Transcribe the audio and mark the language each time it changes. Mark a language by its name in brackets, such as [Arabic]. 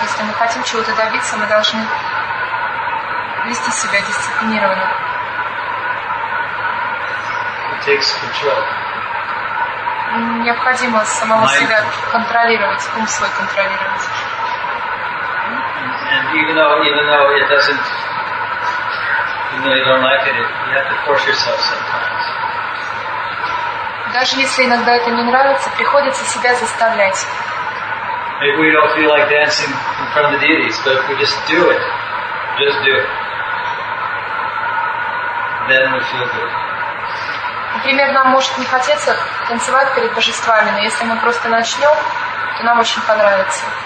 [Russian] Если мы хотим чего-то добиться, мы должны вести себя дисциплинированно. [English] It takes control. [Russian] Необходимо самого себя контролировать, ум свой контролировать. [English] And even though you don't like it, you have to force yourself sometimes. [Russian] Даже если иногда это не нравится, приходится себя заставлять. [English] Maybe we don't feel like dancing in front of the deities, but if we just do it, then we feel good. [Russian] Например, нам может не хотеться танцевать перед божествами, но если мы просто начнем, то нам очень понравится.